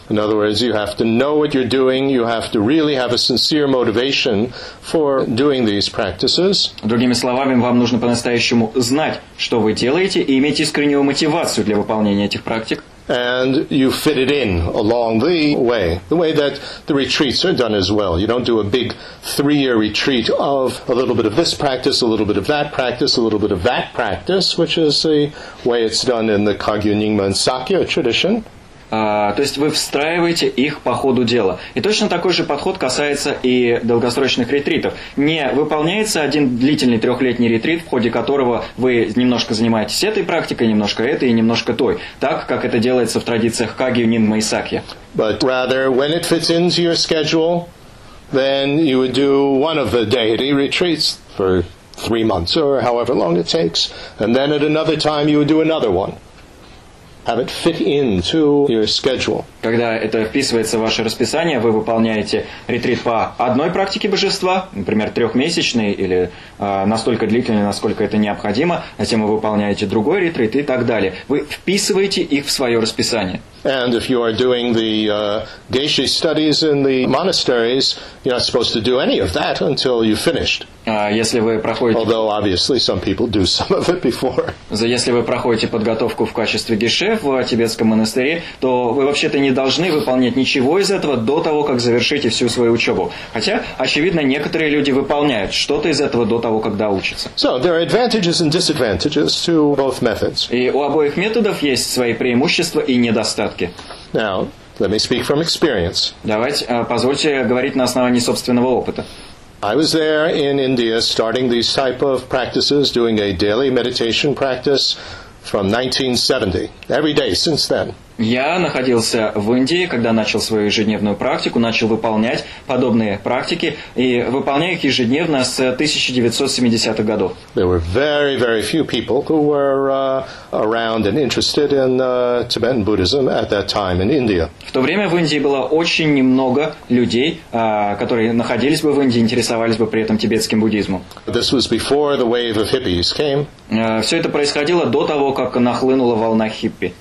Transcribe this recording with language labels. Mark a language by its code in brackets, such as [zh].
[en] In other words, you have to know what you're doing, you have to really have a sincere motivation for doing these practices. [ru] Другими словами, вам нужно по-настоящему знать, что вы делаете, и иметь искреннюю мотивацию для выполнения этих практик. [en] and you fit it in along the way that the retreats are done as well. You don't do a big three-year retreat of a little bit of this practice, a little bit of that practice, a little bit of that practice, which is the way it's done in the Kagyu Nyingma and Sakya tradition. [ru] То есть вы встраиваете их по ходу дела. И точно такой же подход касается и долгосрочных ретритов. Не выполняется один длительный трехлетний ретрит, в ходе которого вы немножко занимаетесь этой практикой, немножко этой и немножко той, так как это делается в традициях Кагью, Нинма и Сакья. [en] But rather, when it fits into your schedule, then you would do one of the deity retreats for 3 months or however long it takes, and then at another time you would do another one. Have it fit into your schedule. [ru] Когда это вписывается в ваше расписание, вы выполняете ретрит по одной практике божества, например, трехмесячный или настолько длительный, насколько это необходимо, затем вы выполняете другой ретрит и так далее. Вы вписываете их в свое расписание. [en] And if you are doing the geshe studies in the monasteries, you're not supposed to do any of that until you've finished. [ru] Если вы проходите... [en] Although, obviously, some people do some of it before. [ru] Если вы проходите подготовку в качестве геше в тибетском монастыре, то вы вообще-то не должны выполнять ничего из этого до того, как завершите всю свою учебу. Хотя, очевидно, некоторые люди выполняют что-то из этого до того, когда учатся. [en] So, there are advantages and disadvantages to both methods. [ru] И у обоих методов есть свои преимущества и недостатки. [en] Now, let me speak from experience. [ru] Давайте, позвольте говорить на основании собственного опыта. [en] I was there in India starting these type of practices, doing a daily meditation practice from 1970, every day since then. [ru] Я находился в Индии, когда начал свою ежедневную практику, начал выполнять подобные практики и выполняю их ежедневно с 1970-х годов. [en] There were very, very few people who were around and interested in Tibetan Buddhism at that time in India. [ru] В то время в Индии было очень немного людей, которые находились бы в Индии, интересовались бы при этом тибетским буддизмом. [en] This was before the wave of hippies came. [ru] Все это происходило до того, как нахлынула волна хиппи.